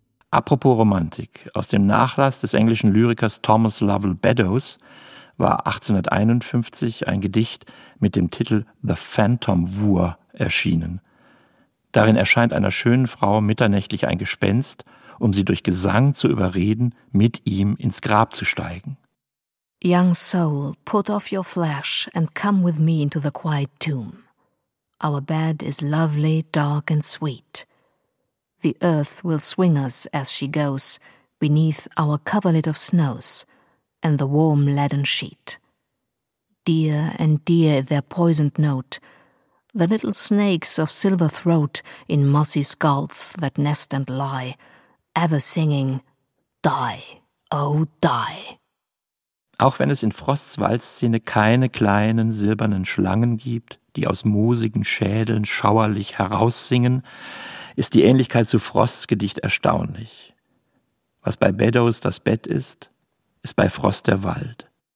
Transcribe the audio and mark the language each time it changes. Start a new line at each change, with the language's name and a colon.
German: Apropos Romantik. Aus dem Nachlass des englischen Lyrikers Thomas Lovell Beddoes war 1851 ein Gedicht mit dem Titel »The Phantom Wooer« erschienen. Darin erscheint einer schönen Frau mitternächtlich ein Gespenst, um sie durch Gesang zu überreden, mit ihm ins Grab zu steigen.
English: Young soul, put off your flesh and come with me into the quiet tomb. Our bed is lovely, dark and sweet. The earth will swing us as she goes beneath our coverlid of snows and the warm leaden sheet. Dear and dear their poisoned note, the little snakes of silver throat in mossy skulls that nest and lie, ever singing, die, oh die.
German: Auch wenn es in Frosts Waldszene keine kleinen silbernen Schlangen gibt, die aus moosigen Schädeln schauerlich heraussingen, ist die Ähnlichkeit zu Frosts Gedicht erstaunlich. Was bei Beddoes das Bett ist, ist bei Frost der Wald.